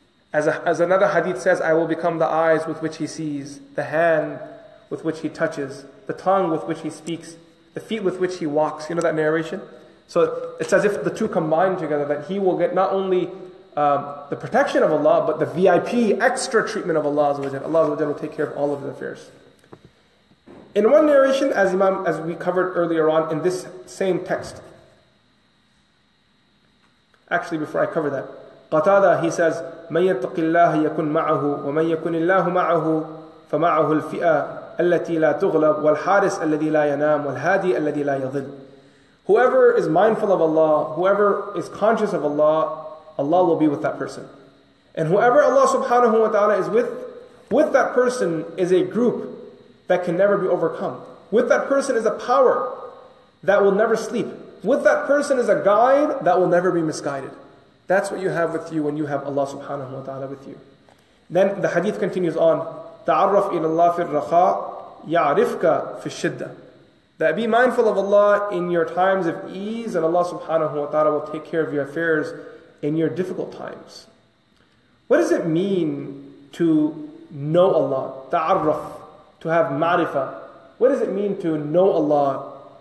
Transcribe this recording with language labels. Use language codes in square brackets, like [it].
[en] As another hadith says, I will become the eyes with which he sees, the hand with which he touches, the tongue with which he speaks, the feet with which he walks. You know that narration? So it's as if the two combine together, that he will get not only the protection of Allah, but the VIP, extra treatment of Allah Azza wa Jalla. Allah Azza wa Jalla will take care of all of his affairs. In one narration, as we covered earlier on, in this same text, actually before I cover that, Qatada, he says, [ar] مَنْ يَتَّقِ اللَّهَ يَكُنْ مَعَهُ وَمَنْ يَكُنِ اللَّهُ مَعَهُ فَمَعَهُ الْفِئَةَ الَّتِي لَا تُغْلَبْ وَالْحَارِسَ الَّذِي لَا يَنَامُ وَالْهَادِي الَّذِي لَا يَظِلْ. [en] Whoever is mindful of Allah, whoever is conscious of Allah, Allah will be with that person. And whoever Allah subhanahu wa ta'ala is with that person is a group that can never be overcome. With that person is a power that will never sleep. With that person is a guide that will never be misguided. That's what you have with you when you have Allah subhanahu wa ta'ala with you. Then the hadith continues on, [ar] تعرف إلى الله في الرخاء يعرفك في الشدة. [en] That be mindful of Allah in your times of ease, and Allah subhanahu wa ta'ala will take care of your affairs in your difficult times. What does it mean to know Allah? تعرف, to have ma'rifah. What does it mean to know Allah?